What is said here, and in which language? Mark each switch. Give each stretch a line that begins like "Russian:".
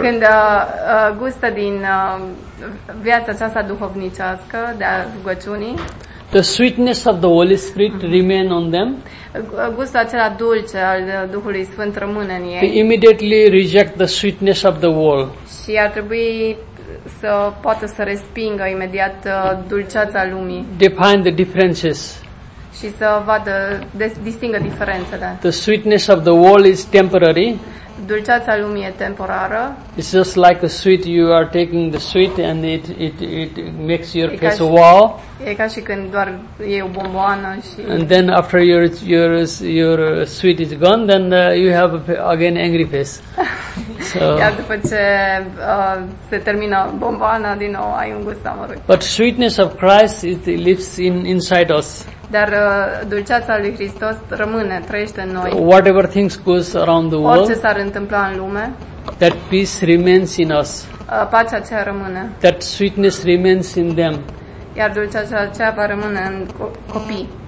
Romanian: Când gustă din viața aceasta duhovnicească de a rugăciunii.
English: The sweetness of the Holy Spirit remain on them.
Romanian: Gustul acela dulce al Duhului Sfânt rămâne în ei.
English: They immediately reject the sweetness of the world.
Romanian: Și ar trebui să poată să respingă imediat dulceața lumii.
English: Define the differences.
Romanian: Și să vadă, distingă diferențele.
English: The sweetness of the world is temporary.
Romanian: Dulceața lumii e temporară.
English: It's just like a sweet, you are taking the sweet and it makes your face wow.
Romanian: E ca și când doar iei o bomboană și.
English: And then after your sweet is gone, then you have again angry face. So.
Romanian: Iar după ce se termină bomboana, din nou ai un gust amărât.
English: But sweetness of Christ, it lives inside us.
Romanian: Dar dulceața lui Hristos rămâne, trăiește în noi.
English: Whatever things goes around the world.
Romanian: Orice s-ar întâmpla în lume.
English: That peace remains in us.
Romanian: Pacea aceea rămâne.
English: That sweetness remains in them.
Romanian: Iar dulceața aceea va rămâne în copii.